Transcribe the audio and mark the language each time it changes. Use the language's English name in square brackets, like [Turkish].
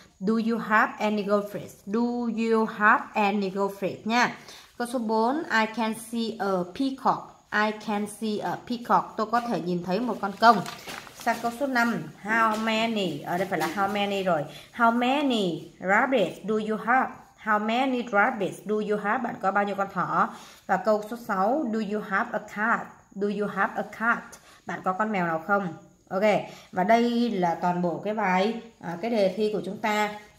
[English] Do you have any goldfish? Do you have any goldfish nha. [Vietnamese] Câu số 4, [English] I can see a peacock. I can see a peacock. [Vietnamese] Tôi có thể nhìn thấy một con công. Sang câu số 5, [English] how many? [Vietnamese] Ở đây phải là how many rồi. [English] How many rabbits do you have? How many rabbits do you have? [Vietnamese] Bạn có bao nhiêu con thỏ? Và câu số 6, [English] do you have a cat? Do you have a cat? [Vietnamese] Bạn có con mèo nào không? Ok, và đây là toàn bộ cái bài, cái đề thi của chúng ta.